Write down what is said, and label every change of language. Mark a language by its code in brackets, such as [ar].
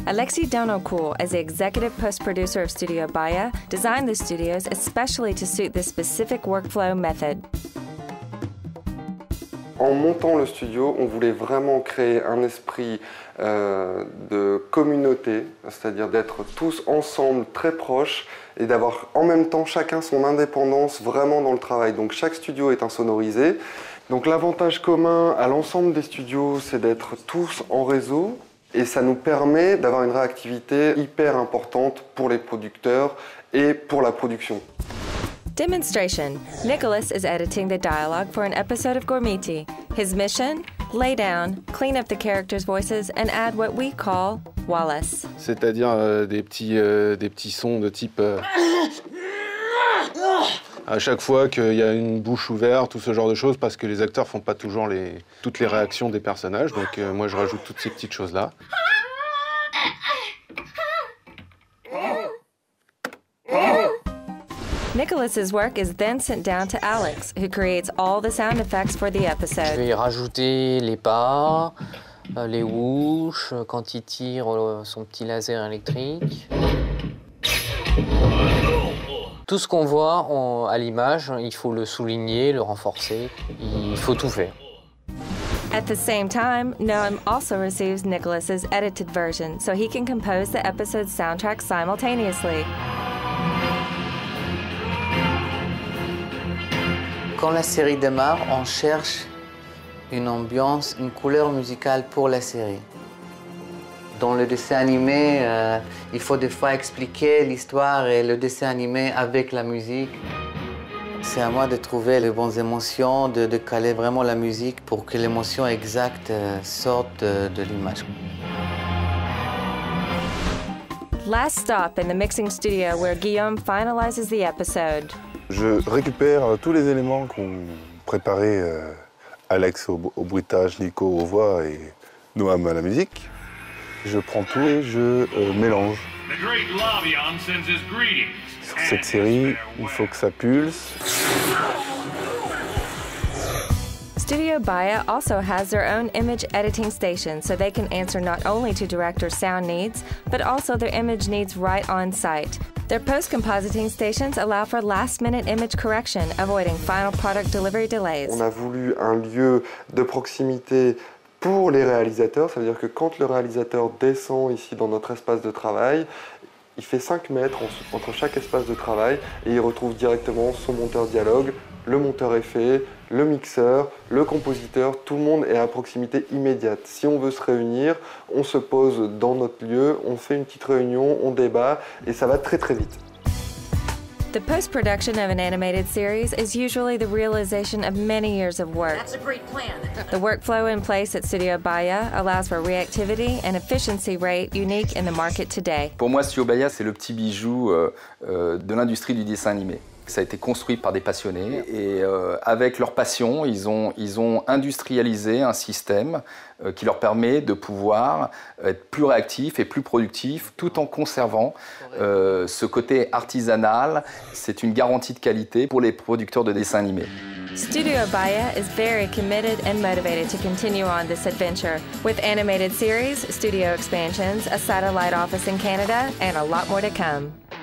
[en] Alexis Denoncourt, as the executive post-producer of Studio Bahia, designed the studios especially to suit this specific workflow method. [fr] En montant le studio, on voulait vraiment créer un esprit de communauté, c'est-à-dire d'être tous ensemble, très proches, et d'avoir en même temps chacun son indépendance vraiment dans le travail. Donc chaque studio est insonorisé. Donc l'avantage commun à l'ensemble des studios, c'est d'être tous en réseau, et ça nous permet d'avoir une réactivité hyper importante pour les producteurs et pour la production. [en] Demonstration. Nicholas is editing the dialogue for an episode of Gormiti. His mission? Lay down, clean up the characters' voices, and add what we call Wallace. [fr] C'est-à-dire des petits sons de type... À chaque fois qu'il y a une bouche ouverte, tout ce genre de choses, parce que les acteurs font pas toujours toutes les réactions des personnages, donc moi je rajoute toutes ces petites choses-là. [en] Nicholas's work is then sent down to Alex, who creates all the sound effects for the episode. [fr] Je vais y rajouter les pas, les whoosh, quand il tire son petit laser électrique. Tout ce qu'on voit à l'image, il faut le souligner, le renforcer, il faut tout faire. [en] At the same time, Noam also receives Nicholas's edited version so he can compose the episode's soundtrack simultaneously. [fr] Quand la série démarre, on cherche une ambiance, une couleur musicale pour la série. Dans le dessin animé, il faut des fois expliquer l'histoire et le dessin animé avec la musique. C'est à moi de trouver les bonnes émotions, de caler vraiment la musique pour que l'émotion exacte sorte de l'image. [en] Last stop in the mixing studio where Guillaume finalizes the episode. [fr] Je récupère tous les éléments qu'ont préparé Alex au bruitage, Nico aux voix et Noam à la musique. Je prends tout et je mélange. [en] The great Lavion sends his greetings. [fr] Sur cette série, il faut que ça pulse. [en] Studio Bahia also has their own image editing station so they can answer not only to director's sound needs, but also their image needs right on site. Their post-compositing stations allow for last-minute image correction, avoiding final product delivery delays. [fr] On a voulu un lieu de proximité pour les réalisateurs, ça veut dire que quand le réalisateur descend ici dans notre espace de travail, il fait 5 mètres entre chaque espace de travail et il retrouve directement son monteur dialogue, le monteur effet, le mixeur, le compositeur, tout le monde est à proximité immédiate. Si on veut se réunir, on se pose dans notre lieu, on fait une petite réunion, on débat et ça va très très vite. [en] The post-production of an animated series is usually the realization of many years of work. That's a great plan. The workflow in place at Studio Bahia allows for reactivity and efficiency rate unique in the market today. [fr] Pour moi, Studio Bahia, c'est le petit bijou de l'industrie du dessin animé. Ça a été construit par des passionnés et avec leur passion, ils ont industrialisé un système qui leur permet de pouvoir être plus réactif et plus productif tout en conservant ce côté artisanal. C'est une garantie de qualité pour les producteurs de dessins animés. [en] Studio Bahia is very committed and motivated to continue on this adventure with animated series, studio expansions, a satellite office in Canada, and a lot more to come.